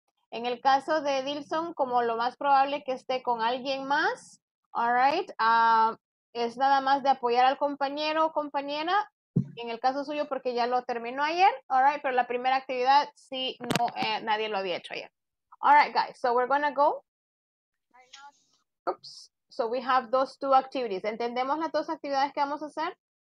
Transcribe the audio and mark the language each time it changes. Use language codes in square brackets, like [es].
[es] En el caso de Dilson, como lo más probable que esté con alguien más, [en] all right, [es] es nada más de apoyar al compañero o compañera. En el caso suyo, porque ya lo terminó ayer, [en] all right, [es] pero la primera actividad, sí, no, nadie lo había hecho ayer. [en] All right, guys, so we're going to go. Oops. So we have those two activities. [es] ¿Entendemos las dos actividades que vamos a hacer?